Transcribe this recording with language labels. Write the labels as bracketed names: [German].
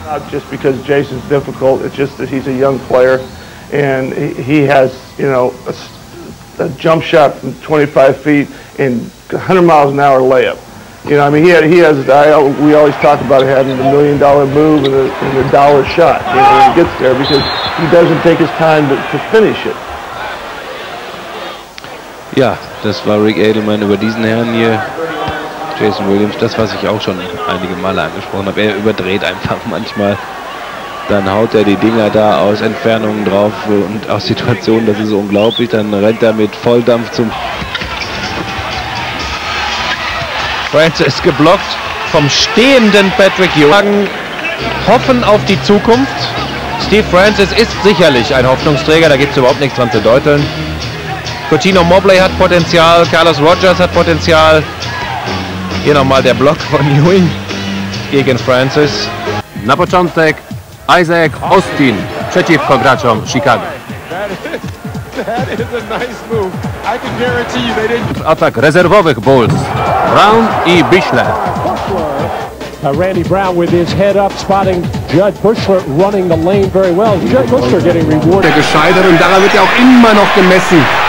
[English] Just because Jason's difficult, it's just that he's a young player and he has, you know, a jump shot from 25 feet and 100 miles an hour layup. You know, I mean, we always talk about having the $1 million move and the dollar shot, you know, when he gets there, because he doesn't take his time to finish it. [German] Ja, das war Rick Adelman über diesen Herrn hier. Jason Williams, das, was ich auch schon einige Male angesprochen habe, er überdreht einfach manchmal. Dann haut er die Dinger da aus Entfernungen drauf und aus Situationen, das ist unglaublich. Dann rennt er mit Volldampf zum... Francis ist geblockt vom stehenden Patrick Ewing. Hoffen auf die Zukunft. Steve Francis ist sicherlich ein Hoffnungsträger, da gibt es überhaupt nichts dran zu deuteln. Coutinho Mobley hat Potenzial, Carlos Rogers hat Potenzial. Hier nochmal der Block von Ewing gegen Francis. [Polish] Na początek Isaac Austin przeciwko graczom Chicago. Atak rezerwowych Bulls. Brown i Bischler. [English] Randy Brown with his head up, spotting Judd Bushler running the lane very well. Judd Bushler getting rewarded. [German] Der gescheitert und daran wird ja auch immer noch gemessen.